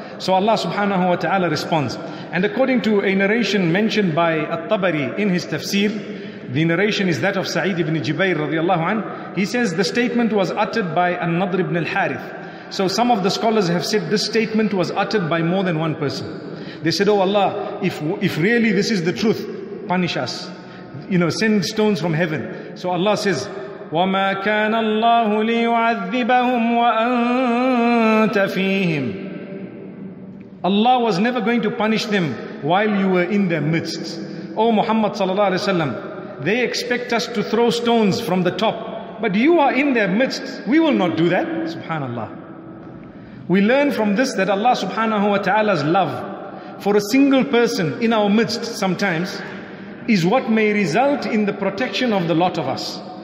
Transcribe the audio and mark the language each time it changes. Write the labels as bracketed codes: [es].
[en] So Allah subhanahu wa ta'ala responds. And according to a narration mentioned by At-Tabari in his tafsir, the narration is that of Sa'id ibn Jubayr radiallahu anhu. He says the statement was uttered by An-Nadr ibn al-Harith. So some of the scholars have said this statement was uttered by more than one person. They said, oh Allah, if really this is the truth, punish us. You know, send stones from heaven. So Allah says, [ar] وَمَا كَانَ اللَّهُ لِيُعَذِّبَهُمْ وَأَنْتَ فِيهِمْ. [en] Allah was never going to punish them while you were in their midst. Oh Muhammad sallallahu alayhi wa sallam, they expect us to throw stones from the top, but you are in their midst. We will not do that. Subhanallah. We learn from this that Allah subhanahu wa ta'ala's love for a single person in our midst sometimes is what may result in the protection of the lot of us.